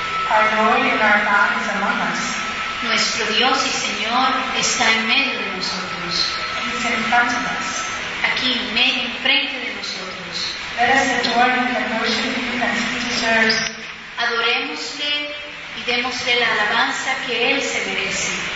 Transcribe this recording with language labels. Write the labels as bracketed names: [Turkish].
[English] our Lord and our God is among us. [Spanish] Nuestro Dios y Señor está en medio de nosotros. [English] He's in front of us. [Spanish] Aquí, en frente de nosotros. [English] Let us adore him and worship him as he deserves. [Spanish] Adorémosle y démosle la alabanza que él se merece.